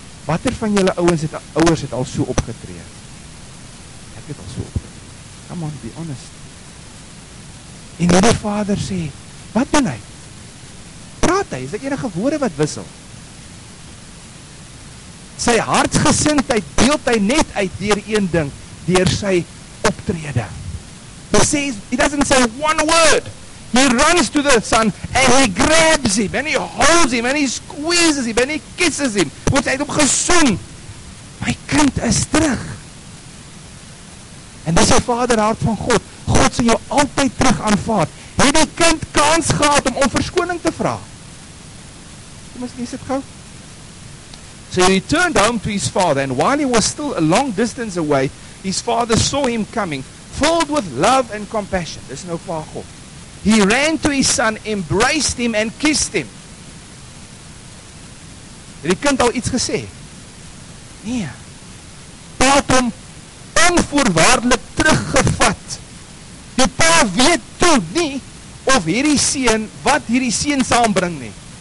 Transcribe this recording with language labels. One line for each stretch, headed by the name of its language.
Afrikaans: Watter van julle ouers het al so opgetree? Ek het al so opgetree.
English: Come on, be honest.
Afrikaans: En die vader sê, wat doen hy? Praat hy, is dit enige woorde wat wissel? Sy hartsgesindheid deelt hy net uit deur een ding, deur sy optrede.
English: He says, he doesn't say one word. He runs to the son and he grabs him and he holds him and he squeezes him and he kisses him.
Afrikaans: Want hy het hom gesoen. My kind is terug. En dis die vaderhart van God. God sal jou altyd terug aanvaard. Het die kind kans gehad om verskoning te vra? Kom ons lees dit gou.
English: So he turned home to his father, and while he was still a long distance away, his father saw him coming, filled with love and compassion.
Afrikaans: Dis nou pa God.
English: He ran to his son, embraced him, and kissed him.
Afrikaans: Het die kind al iets gesê? Nee. Pa het hom onvoorwaardelik teruggevat. Die pa weet toe nie of hierdie seun, wat hierdie seun saambring nie.